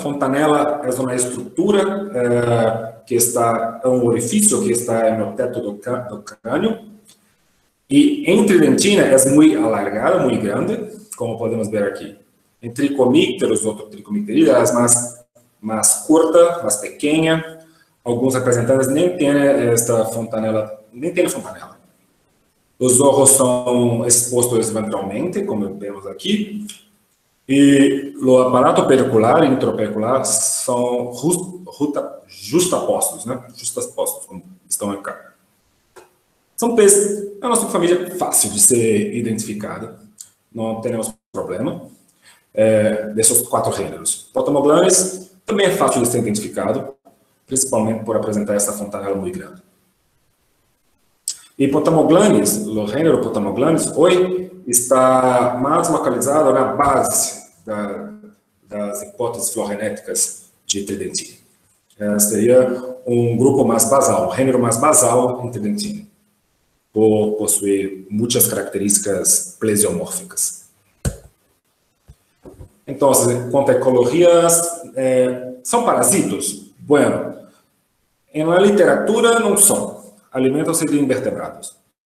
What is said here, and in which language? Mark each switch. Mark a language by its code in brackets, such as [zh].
[pt] Fontanela é uma estrutura que está, é um orifício que está no teto do crânio. E em Tridentina é muito alargada, muito grande, como podemos ver aqui. Em tricomícteros, outro tricomícterida, é mais [es] más corta, más pequeña. Algunos representantes ni tienen esta fontanela, ni tienen fontanela. Los ojos son expuestos ventralmente, como vemos aquí. Y el aparato pelicular e intraopericular son justapostos, ¿no? Justapostos, como están acá. Son peces de nuestra familia fácil de ser identificada. No tenemos problema de esos cuatro géneros. Potamoglones también es fácil de ser identificado, principalmente por presentar esta fontanela muy grande. Y Potamoglones, el género Potamoglones, hoy está más localizado en la base [pt] das hipóteses filogenéticas [es] de tridentina. [pt] Seria um grupo mais basal, um gênero mais basal em tridentina, por possuir muitas características plesiomórficas. Então, quanto a ecologias, são parasitos? Bueno, em la literatura não são, alimentam-se de invertebrados.